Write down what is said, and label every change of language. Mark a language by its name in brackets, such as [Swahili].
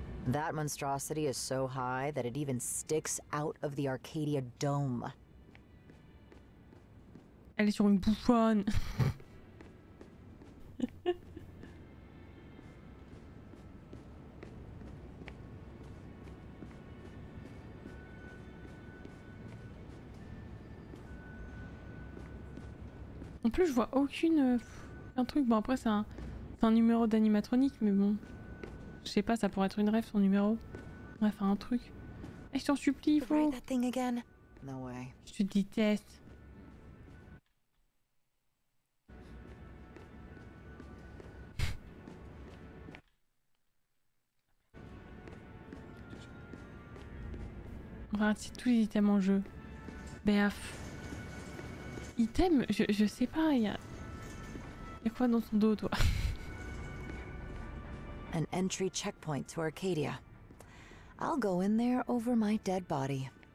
[English] That monstrosity is so high that it even sticks out of the Arcadia Dome. [French] Elle est sur une bouffonne. En plus, je vois aucune... un truc, bon après c'est un numéro d'animatronique, mais bon, je sais pas, ça pourrait être une rêve son numéro, bref, un truc. Et je t'en supplie, il faut, je te déteste. Regarde, c'est tous les items en jeu. Baf. Item, je sais pas, il y a quoi dans son dos, toi? [English] An entry checkpoint to Arcadia. I'll go in there over my dead body.